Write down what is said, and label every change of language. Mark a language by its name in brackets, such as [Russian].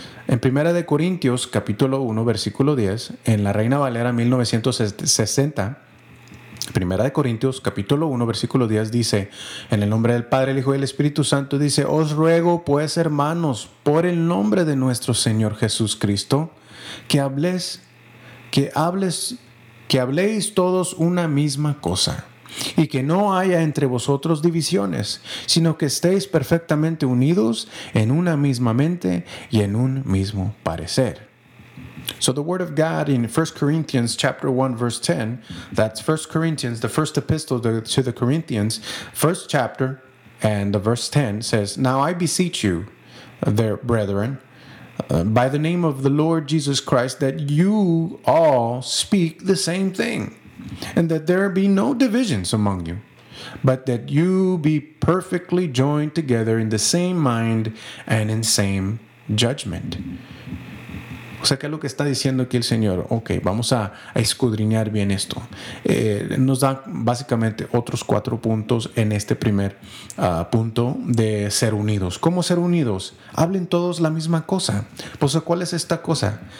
[Spanish] En Primera de Corintios, capítulo 1, versículo 10, en la Reina Valera 1960, Primera de Corintios, capítulo 1, versículo 10, dice, en el nombre del Padre, el Hijo y el Espíritu Santo, dice, os ruego, pues, hermanos, por el nombre de nuestro Señor Jesucristo, que habléis todos una misma cosa, y que no haya entre vosotros divisiones, sino que estéis perfectamente unidos en una misma mente y en un mismo parecer. [English] So the word of God in 1 Corinthians chapter 1, verse 10, that's 1 Corinthians, the first epistle to the Corinthians, first chapter and the verse 10 says, now I beseech you, there, brethren, by the name of the Lord Jesus Christ, that you all speak the same thing, and that there be no divisions among you, but that you be perfectly joined together in the same mind and in same judgment. [Spanish] O sea, ¿qué es lo que está diciendo aquí el Señor? Ok, vamos a escudriñar bien esto. Nos da básicamente otros cuatro puntos en este primer punto de ser unidos. ¿Cómo ser unidos? Hablen todos la misma cosa. Pues, ¿cuál es esta cosa?